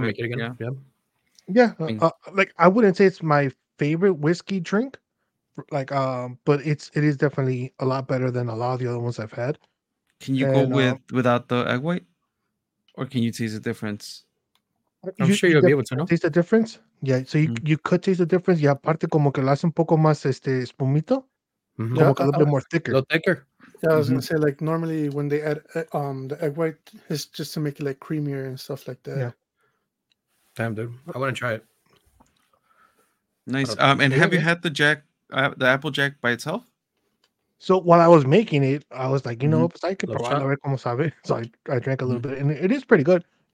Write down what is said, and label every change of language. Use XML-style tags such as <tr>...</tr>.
<en>Make it again. Yeah. I wouldn't say it's my favorite whiskey drink, like, but it is definitely a lot better than a lot of the other ones I've had. Can you go without the egg white, or can you taste the difference? I'm sure you'll be able to know. Taste the difference? Yeah. So you could taste the difference. Yeah.</en> <es>Aparte como que lo hace un poco más espumito, mm-hmm. como que</es> <en>a little bit more thicker. A little thicker. Yeah, I was gonna say, like, normally when they add the egg white, is just to make it like creamier and stuff like that. Yeah. Damn, dude, I want to try it. Nice. Have you had the apple jack by itself? So while I was making it, I was like, you know, so I drank a little bit, and it is pretty good.</en>